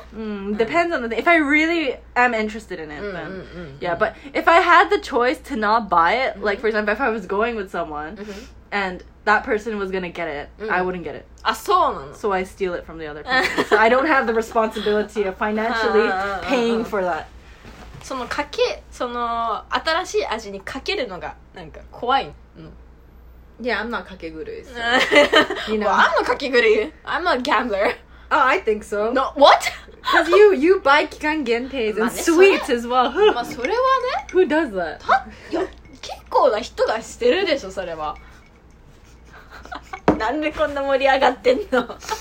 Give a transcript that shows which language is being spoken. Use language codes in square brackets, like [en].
[en] depends on the thing if I really am interested in it then yeah but if I had the choice to not buy it like for example if I was going with someone and that person was gonna get it, I wouldn't get it. [ja] あ、そうなの? [en] So I steal it from the other person. So I don't have the responsibility of financially paying for that. [ja] その新しい味にかけるのがなんか怖いの? [en] Yeah, I'm not kakegurui. So, you know. Well, I'm not kakegurui. I'm a gambler. Oh, I think so. No, what? Because you buy 期間限定 and sweets as well. [ja] まあそれはね。 [en] Who does that? [ja] いや、結構な人がしてるでしょ、それは。なんでこんな盛り上がってんの?